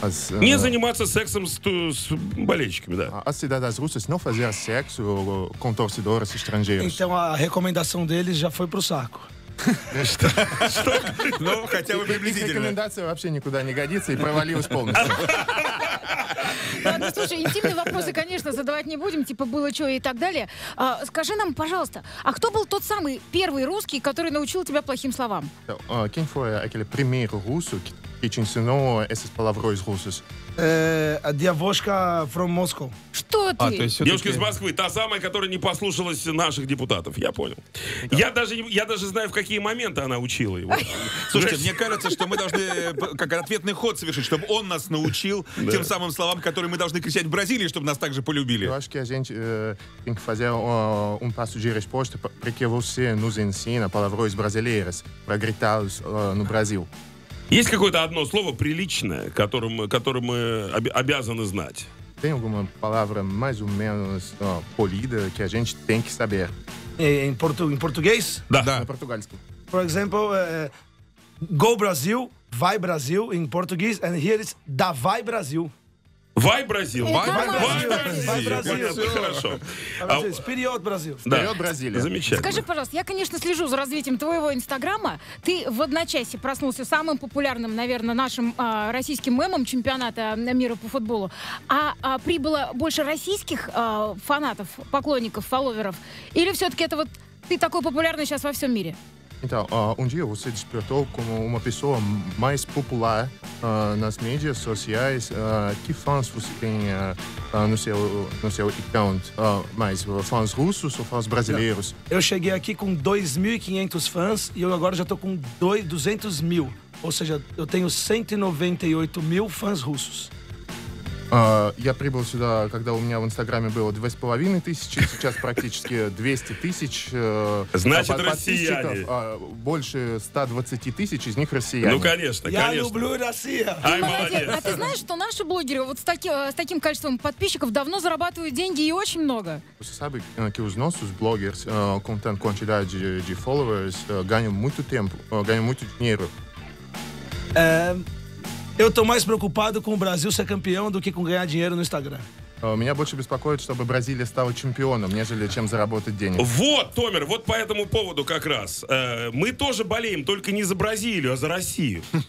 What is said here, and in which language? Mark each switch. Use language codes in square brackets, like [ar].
[ru] не заниматься сексом с болельщиками, да. [pt] As cidades russas não fazer sexo com torcedores estrangeiros. Então a recomendação deles já foi pro saco. [ru] Что? Что? Ну, хотя бы приблизительно. Рекомендация вообще никуда не годится и провалилась полностью. Ладно, слушай, интимные вопросы, конечно, задавать не будем, типа было что и так далее. Скажи нам, пожалуйста, а кто был тот самый первый русский, который научил тебя плохим словам? [pt] Quem foi aquele primeiro russo que te ensinou essas palavrões russas? [en] Девушка from Moscow. [ru] Что ты? Девушка из Москвы, та самая, которая не послушалась наших депутатов, я понял. Да. Я даже знаю, в какие моменты она учила его. Слушайте, мне кажется, что мы должны как ответный ход совершить, чтобы он нас научил тем самым словам, которые мы должны кричать в Бразилии, чтобы нас также полюбили. [pt] Девушки, а gente tem que fazer um passo de resposta, porque você nos ensina palavrões brasileiras para gritar no Brasil. [ru] Есть какое-то одно слово приличное, которое мы обязаны знать? [pt] Tem alguma palavra mais ou menos polida que a gente tem que saber? Em português? [ru] Da. Da. [pt] No portugalesco. [en] For example, go Brasil, [pt] vai Brasil, em português, [en] and here is [pt] da vai Brasil. Vai Brasil. Vai Brasil. Vai Brasil. [ru] Вперед, Бразил. Вперед, Бразилия. Замечательно. Скажи, пожалуйста, я, конечно, слежу за развитием твоего Инстаграма. Ты в одночасье проснулся самым популярным, наверное, нашим российским мемом чемпионата мира по футболу. А прибыло больше российских фанатов, поклонников, фолловеров? Или все-таки это вот ты такой популярный сейчас во всем мире? [pt] Então, um dia você despertou como uma pessoa mais popular nas mídias sociais. Que fãs você tem no seu account? Mais fãs russos ou fãs brasileiros? Eu cheguei aqui com 2.500 fãs e eu agora já estou com 200 mil. Ou seja, eu tenho 198 mil fãs russos. [ru] Я прибыл сюда, когда у меня в Инстаграме было 2500, сейчас практически 200 тысяч. Значит, россияне. Больше 120 тысяч из них россияне. Ну, конечно, я люблю Россию. Ай, молодец. А ты знаешь, что наши блогеры вот с таким количеством подписчиков давно зарабатывают деньги и очень много? [pt] Você sabe que os nossos bloggers com tanta quantidade de followers ganham muito tempo, ganham muito dinheiro. Eu tô mais preocupado com o Brasil ser campeão do que com ganhar dinheiro no Instagram. [ru] Меня больше беспокоит, чтобы Бразилия стала чемпионом, нежели чем заработать денег. Вот, Томир, вот по этому поводу как раз. Мы тоже болеем, только не за Бразилию, а за Россию.